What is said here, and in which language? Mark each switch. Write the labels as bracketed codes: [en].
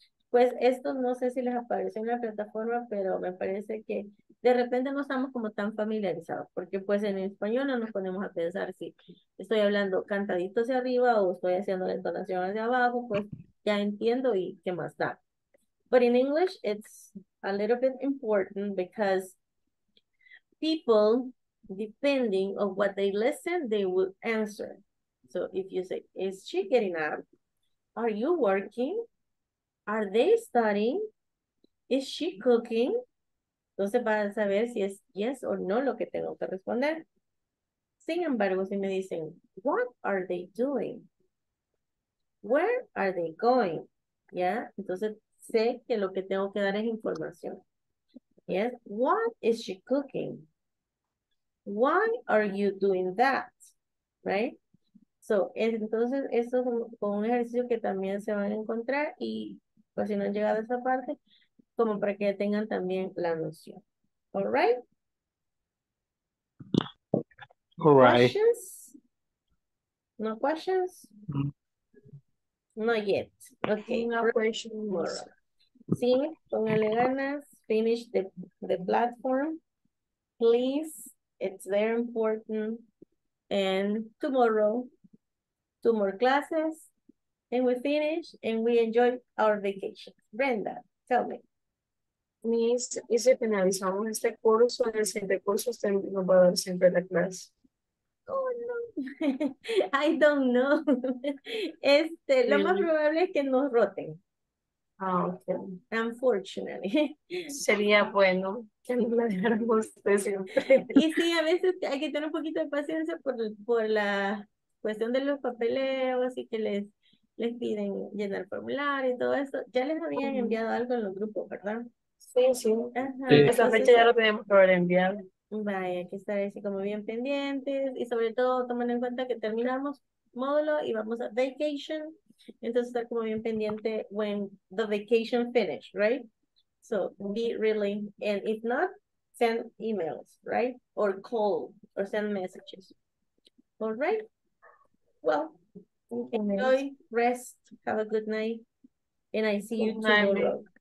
[es] Pues esto no sé si les aparece en la plataforma, pero me parece que de repente no estamos como tan familiarizados, porque pues en español no nos ponemos a pensar si estoy hablando cantadito hacia arriba o estoy haciendo la entonación hacia abajo, pues ya entiendo y qué más da. [en] But in English, it's a little bit important because people, depending on what they listen, they will answer. So if you say, is she getting up? Are you working? Are they studying? Is she cooking? [es] Entonces van a saber si es yes o no lo que tengo que responder. Sin embargo, si me dicen, [en] what are they doing? Where are they going? [es] ¿Ya? Entonces sé que lo que tengo que dar es información. [en] ¿Yes? What is she cooking? Why are you doing that? Right? [es] So, entonces, eso es un ejercicio que también se van a encontrar y pues si no han llegado a esa parte, como para que tengan también la noción. [en] All right? All right. Questions? No questions? Not yet. Okay. No questions. Tomorrow. [es] Sí, póngale ganas. [en] Finish the platform. Please. It's very important. And tomorrow, two more classes. And we finish and we enjoy our vacation. Brenda, tell me. [es] Miss, ¿y si finalizamos este curso o en el siguiente curso usted nos va a dar siempre la clase? [en] Oh, no. I don't know. [es] Lo más probable es que nos roten. Ah, oh, ok. [en] Unfortunately. [es] Sería bueno que nos la dejáramos usted siempre. Y sí, a veces hay que tener un poquito de paciencia por la cuestión de los papeleos y que les piden llenar formulario y todo eso. Ya les habían enviado algo en los grupos, ¿verdad? Sí. Esa fecha ya lo tenemos que haber enviado. Vaya, hay que estar así como bien pendientes y sobre todo tomando en cuenta que terminamos módulo y vamos a vacation. Entonces estar como bien pendiente [en] when the vacation finish, right? So be really, and if not, send emails, right? Or call, or send messages. All right? Well, enjoy, rest, have a good night, and I see you tomorrow.